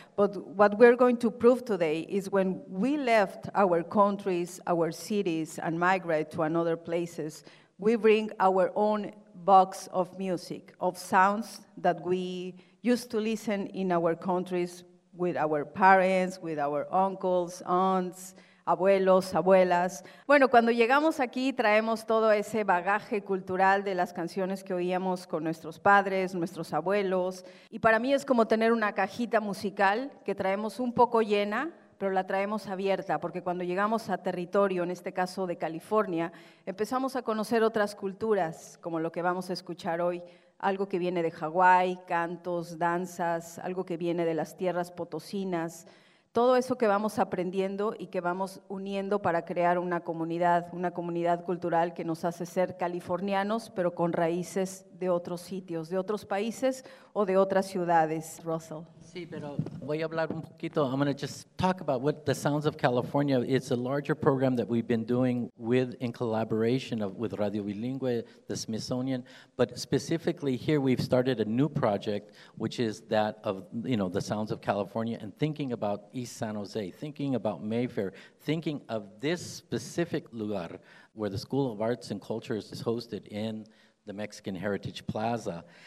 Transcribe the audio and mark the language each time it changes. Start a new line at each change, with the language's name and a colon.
English: But what we're going to prove today is when we left our countries, our cities, and migrate to another places, we bring our own box of music, of sounds that we used to listen in our countries with our parents, with our uncles, aunts,
Spanish: abuelos, abuelas. Bueno, cuando llegamos aquí traemos todo ese bagaje cultural de las canciones que oíamos con nuestros padres, nuestros abuelos. Y para mí es como tener una cajita musical que traemos un poco llena, pero la traemos abierta, porque cuando llegamos a territorio, en este caso de California, empezamos a conocer otras culturas, como lo que vamos a escuchar hoy, algo que viene de Hawái, cantos, danzas, algo que viene de las tierras potosinas. Todo eso que vamos aprendiendo y que vamos uniendo para crear una comunidad cultural que nos hace ser californianos, pero con raíces de otros sitios, de otros países o de otras ciudades. Russell. Sí, pero voy a hablar un poquito.
English: I'm going to just talk about what the Sounds of California, it's a larger program that we've been doing in collaboration with Radio Bilingüe, the Smithsonian, but specifically here we've started a new project, which is that of, you know, the Sounds of California and thinking about East San Jose, thinking about Mayfair, thinking of this specific lugar where the School of Arts and Cultures is hosted in the Mexican Heritage Plaza.